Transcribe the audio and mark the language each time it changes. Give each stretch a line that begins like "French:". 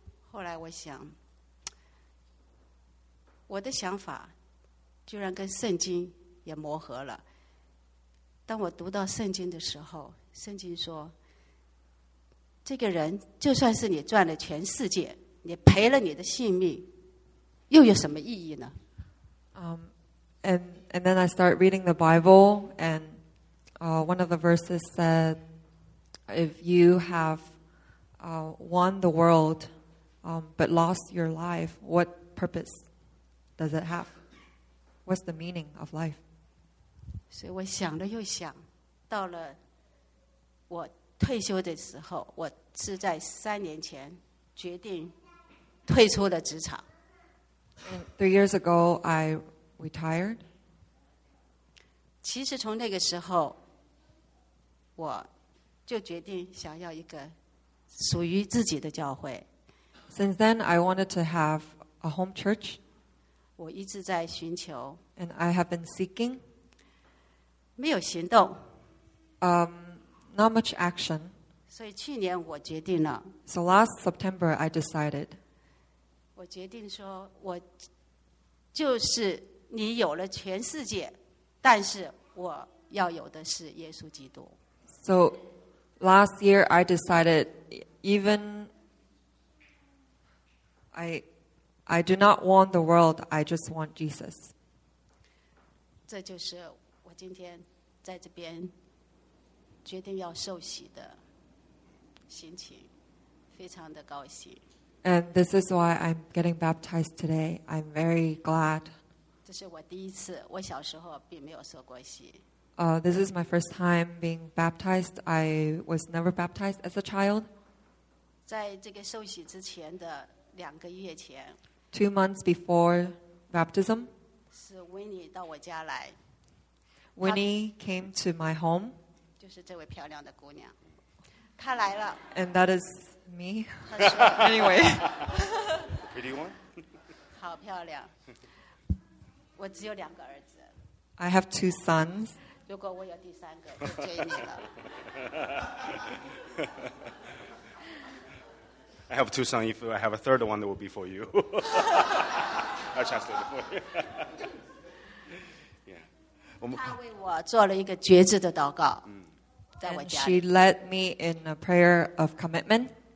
Chinese: 后来我想，我的想法居然跟圣经也磨合了。当我读到圣经的时候，圣经说，这个人就算是你赚了全世界。你赔了你的性命，又有什么意义呢？
English: And then I start reading the Bible, and one of the verses said, "If you have won the world, but lost your life, what purpose does it have? What's the meaning of life?"
Chinese: 所以我想了又想，到了我退休的时候，我是在3年前决定。退出了职场。
English: 3 years ago, I retired.
Chinese: 其实从那个时候，我就决定想要一个属于自己的教会。
English: Since then, I wanted to have a home church.
Chinese: 我一直在寻求。
English: And I have been seeking.
Chinese: 没有行动。
English: Not much action.
Chinese: 所以去年我决定了。
English: So last September, I decided.
Chinese: 我决定说，我就是你有了全世界，但是我要有的是耶稣基督。
English: So last year I decided, even I do not want the world, I just want Jesus.
Chinese: 这就是我今天在这边决定要受洗的心情，非常的高兴。
English: And this is why I'm getting baptized today. I'm very glad.
Chinese: 这是我第一次，我小时候并没有受过洗。
English: This is my first time being baptized. I was never baptized as a child.
Chinese: 在这个受洗之前的2个月前
English: 2 months before baptism.
Chinese: 是 Winnie 到我家来。
English: Winnie came to my home.
Chinese: 就是这位漂亮的姑娘。她来了。
English: And that is me. Anyway. Pretty one?
Chinese: 好漂亮。我只有两个儿子。
English: I have two sons.
Chinese: 如果我有第三个，就追你了。
English: I have two sons. If I have a third one, that will be for you. I just did it for you.
Chinese: 他为我做了一个决志的祷告,
English: and she led me in a prayer of commitment.